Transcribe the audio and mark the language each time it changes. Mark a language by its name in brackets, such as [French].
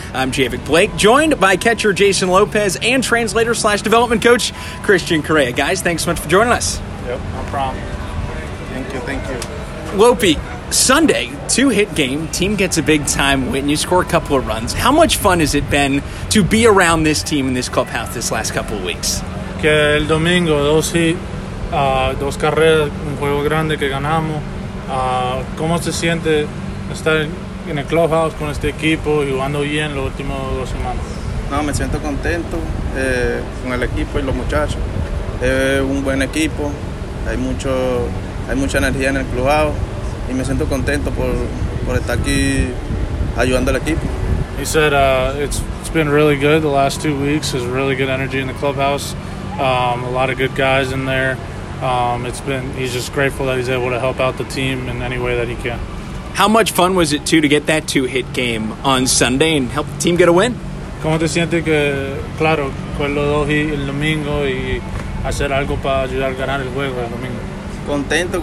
[English] I'm Javik Blake, joined by catcher Jason Lopez and translator slash development coach Christian Correa. Guys, thanks so much for joining us. Yep, no problem. Thank you. Lopi, Sunday, two-hit game, team gets a big-time win, you score a couple of runs. How much fun has it been to be around this team in this clubhouse this last couple of weeks? [Spanish] Que el domingo, dos hit, dos carreras, un juego grande que ganamos. ¿Cómo se siente estar en el clubhouse con este equipo y jugando bien los últimos dos semanas? No, me siento contento con el equipo y los muchachos. Un buen equipo, hay mucha energía en el clubhouse. Y me siento contento por estar aquí ayudando al equipo. [English] He said it's been really good the last 2 weeks. There's really good energy in the clubhouse. A lot of good guys in there. He's just grateful that he's able to help out the team in any way that he can. How much fun was it too to get that two-hit game on Sunday and help the team get a win? [Spanish] ¿Cómo te sientes que claro, con los dos el domingo y hacer algo para ayudar a ganar el juego el domingo?